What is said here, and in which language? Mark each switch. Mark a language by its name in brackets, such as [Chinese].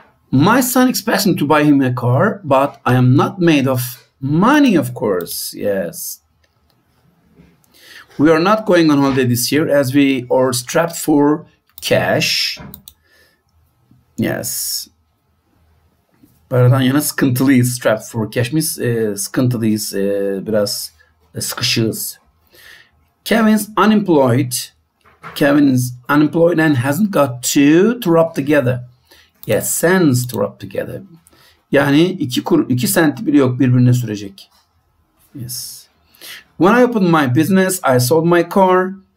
[English] My son expects me to buy him a car, but I am not made of money, of course. Yes. We are not going on holiday this year as we are strapped for cash. Yes. [Turkish] Paradan yana sıkıntılıyız, [English] strapped for cash means [Turkish] sıkıntılıyız, biraz sıkışığız. [English] Kevin is unemployed and hasn't got two to rub together. Yes, cents to rub together. [Turkish] Yani iki cent bile yok birbirine sürecek. [English] Yes. When I opened my business, I sold my car.